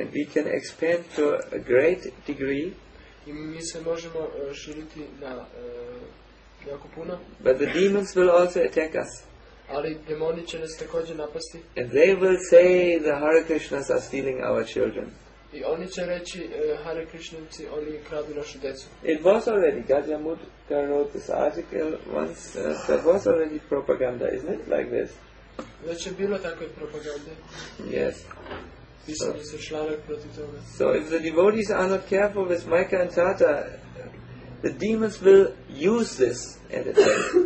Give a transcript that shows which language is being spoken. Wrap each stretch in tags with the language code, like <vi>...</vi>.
<en>And we can expand to a great degree.</en> <sr>I mi se možemo širiti na jako puno.</sr> <en>But the demons will also attack us.</en> <sr>Ali demoni će nas također napasti.</sr> <en>And they will say the Hare Krishnas are stealing our children.</en> <sr>I oni će reći Hare Krishnanci, oni kradu našu decu.</sr> <en>It was already, Gajya Mudgal wrote this article once, there was already propaganda, isn't it, like this?</en> <sr>Već je bilo takve propagande.</sr> <en>Yes.</en> <sr>Pisali su članak protiv toga.</sr> <en>So if the devotees are not careful with Maika and Tata, the demons will use this and attack.</en>